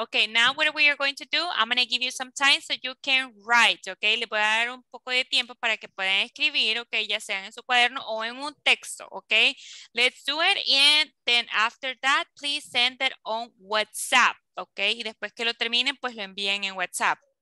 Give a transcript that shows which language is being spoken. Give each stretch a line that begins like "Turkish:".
English: Okay, now what we are going to do, I'm going to give you some time so you can write, okay?
Spanish: Le voy a dar un poco de tiempo para que puedan escribir, okay, ya sea en su cuaderno o en un texto, okay?
English: Let's do it, and then after that, please send it on WhatsApp, okay?
Spanish: Y después que lo terminen, pues lo envíen en WhatsApp.